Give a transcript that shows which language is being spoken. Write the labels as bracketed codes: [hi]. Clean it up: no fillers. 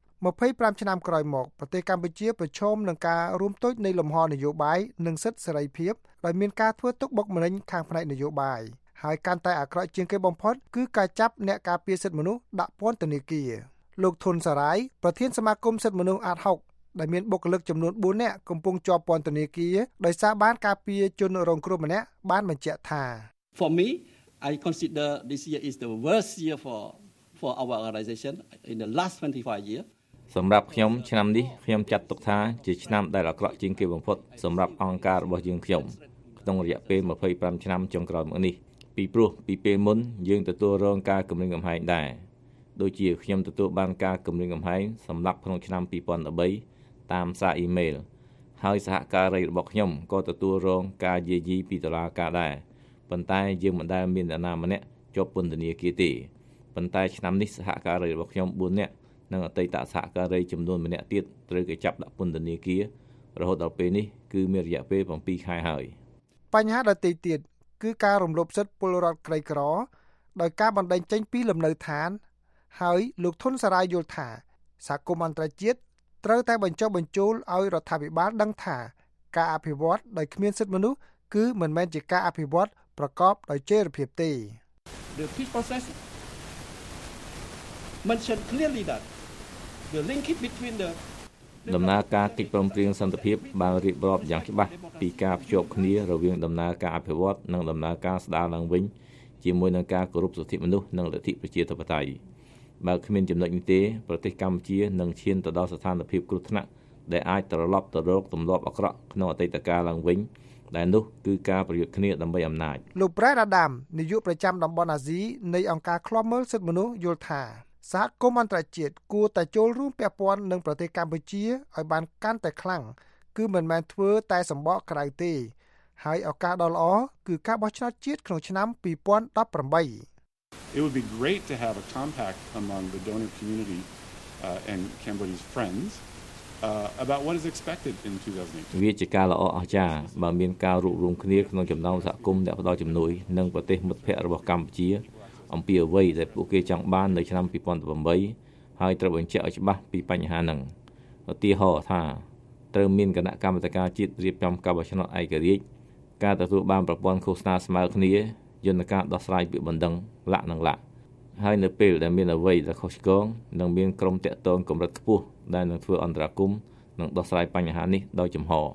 [km] 25ឆ្នាំក្រោយមកប្រទេសកម្ពុជាប្រឈមនឹងការរួមតូចនៃលំហនយោបាយនិងសិទ្ធិសេរីភាពដោយមានការធ្វើទុកបុកម្នេញខាងផ្នែកនយោបាយហើយកាន់តែអាក្រក់ជាងគេបំផុតគឺការចាប់អ្នកការពារសិទ្ធិមនុស្សដាក់ពន្ធនាគារលោកធុនសារាយប្រធានសមាគមសិទ្ធិមនុស្សអាត60ដែលមានបុគ្គលិកចំនួន4នាក់កំពុងជាប់ពន្ធនាគារដោយសារបានការពារជនរងគ្រោះម្នាក់បានបញ្ជាក់ថា [en] For me I consider this year is the worst year for our organization in the last 25 years [km] សម្រាប់ខ្ញុំឆ្នាំនេះខ្ញុំចាត់ទុកថាជាឆ្នាំដែលអាក្រក់ជាងគេបំផុតសម្រាប់អង្គការរបស់យើងខ្ញុំក្នុងរយៈពេល25ឆ្នាំចុងក្រោយមកនេះពីព្រោះពីពេលមុនយើងទទួលរងការគំរាមកំហែងដែរដូចជាខ្ញុំទទួលបានការគំរាមកំហែងសម្រាប់ក្នុងឆ្នាំ2013តាមសារអ៊ីមែលហើយសហការីរបស់ខ្ញុំក៏ទទួលរងការយាយីពីតុលាការដែរ ប៉ុន្តែយើងមិនដែលមានអ្នកណាម្នាក់ជាប់ពន្ធនាគារទេប៉ុន្តែឆ្នាំនេះសហការីរបស់ខ្ញុំ4នាក់និងអតីតសហការីចំនួនម្នាក់ទៀតត្រូវគេចាប់ដាក់ពន្ធនាគាររហូតដល់ពេលនេះគឺមានរយៈពេល7ខែហើយ បញ្ហាដទៃទៀតគឺការរំលោភសិទ្ធិពលរដ្ឋក្រីក្រដោយការបណ្តេញចេញពីលំនៅឋានហើយលោកធុនសារាយយល់ថាសហគមន៍អន្តរជាតិត្រូវតែបញ្ចុះបញ្ជូលឲ្យរដ្ឋាភិបាលដឹងថាការអភិវឌ្ឍដោយគ្មានសិទ្ធិមនុស្សគឺមិនមែនជាការអភិវឌ្ឍប្រកបដោយចីរភាពទេ [en] The peace process mentioned clearly that the link between the [km] ដំណើរការកិច្ចព្រមព្រៀងសន្តិភាពបានរៀបរាប់យ៉ាងច្បាស់ពីការភ្ជាប់គ្នារវាងដំណើរការអភិវឌ្ឍនិងដំណើរការស្ដារឡើងវិញជាមួយនឹងការគោរពសិទ្ធិមនុស្សនិងលទ្ធិប្រជាធិបតេយ្យបើគ្មានចំណុចនេះទេប្រទេសកម្ពុជានឹងឈានទៅដល់ស្ថានភាពគ្រោះថ្នាក់ដែលអាចត្រឡប់ទៅរកទម្លាប់អាក្រក់ក្នុងអតីតកាលឡើងវិញដែលនោះគឺការប្រយុទ្ធគ្នាដើម្បីអំណាច លោកប្រែរ៉ាដាមនាយកប្រចាំតំបន់អាស៊ីនៃអង្គការឃ្លាំមើលសិទ្ធិមនុស្សយល់ថាសហគមន៍អន្តរជាតិគួរតែចូលរួមពាក់ព័ន្ធនឹងប្រទេសកម្ពុជាឲ្យបានកាន់តែខ្លាំងគឺមិនមែនធ្វើតែសម្បកក្រៅទេហើយឱកាសដ៏ល្អគឺការបោះឆ្នោតជាតិក្នុងឆ្នាំ2018 [en] It would be great to have a compact among the donor community and Cambodia's friends about what is expected in 2018 [km] វាជាការល្អអស្ចារ្យបើមានការរួបរងគ្នាក្នុងចំណោមសហគមន៍អ្នកផ្ដល់ជំនួយនិងប្រទេសមិត្តភ័ក្តិរបស់កម្ពុជាអំពីអ្វីដែលពួកគេចង់បាននៅឆ្នាំ2018ហើយត្រូវបញ្ជាក់ឲ្យច្បាស់ពីបញ្ហាហ្នឹងឧទាហរណ៍ថា ត្រូវមានគណៈកម្មាធិការជាតិរៀបចំការបោះឆ្នោតឯករាជ្យការទទួលបានប្រព័ន្ធឃោសនាស្មើគ្នាយន្តការដោះស្រាយពាក្យបណ្ដឹងលាក់នឹងលាក់ហើយនៅពេលដែលមានអ្វីដែលខុសឆ្គងនឹងមានក្រុមតាក់ទងកម្រិតខ្ពស់ដែលនឹងធ្វើអន្តរាគមន៍និងដោះស្រាយបញ្ហានេះដោយចំហ